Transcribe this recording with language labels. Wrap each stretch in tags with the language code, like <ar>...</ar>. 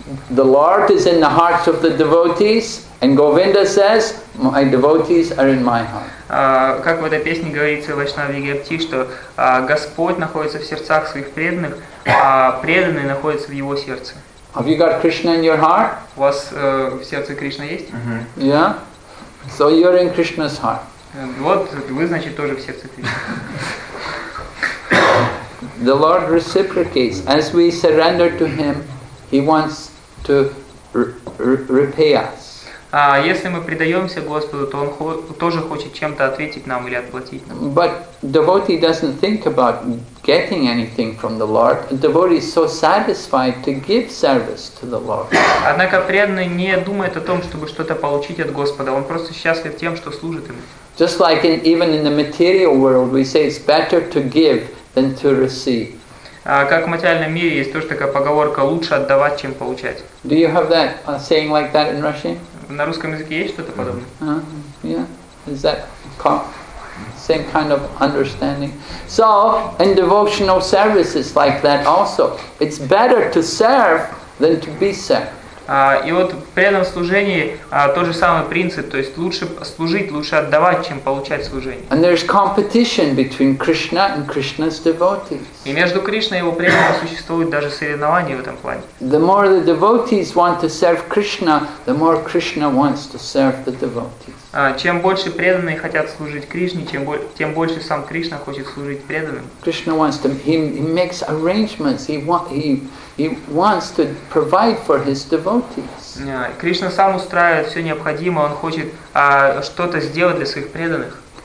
<en>The Lord is in the hearts of the devotees, and Govinda says, "My devotees are in my heart."</en> <ru>Как в этой песне говорится, Вайшнава Вигьяпти, что Господь находится в сердцах своих преданных, а преданные находятся в его сердце.</ru> <en>Have you got Krishna in your heart?</en> <ru>У вас в сердце Кришна есть?</ru> <en>Mm-hmm. Yeah. So you're in Krishna's heart.</en> <ru>Вот вы, значит, тоже в сердце Кришны.</ru> <en>The Lord reciprocates. As we surrender to Him, He wants to repay us.</en> <ru>А если мы предаемся Господу, то Он тоже хочет чем-то ответить нам или отплатить нам.</ru> <en>But devotee doesn't think about getting anything from the Lord. A devotee is so satisfied to give service to the Lord.</en> <ru>Однако преданный не думает о том, чтобы что-то получить от Господа. Он просто счастлив тем, что служит ему.</ru> <en>Just like even in the material world, we say it's better to give than to receive.</en> <ru>Как в материальном мире есть тоже такая поговорка: лучше отдавать, чем получать.</ru> <en>Do you have that saying like that in Russian?</en> <ru>На русском языке есть что-то подобное?</ru> <en>Yeah. Is that same kind of understanding? So, in devotional service, it's like that also. It's better to serve than to be served.</en> <ru>И вот в преданном служении тот же самый принцип, то есть лучше служить, лучше отдавать, чем получать служение.</ru> <en>And there's competition between Krishna and Krishna's devotees.</en> <ru>И между Кришной и его преданными существуют даже соревнования в этом плане.</ru> <en>The more the devotees want to serve Krishna, the more Krishna wants to serve the devotees.</en> <ru>Чем больше преданные хотят служить Кришне, тем больше сам Кришна хочет служить преданным.</ru> <en>Krishna wants to, he makes arrangements, he wants to provide for his devotees.</en> <ru>Кришна сам устраивает все необходимое, он хочет что-то сделать для своих преданных.</ru>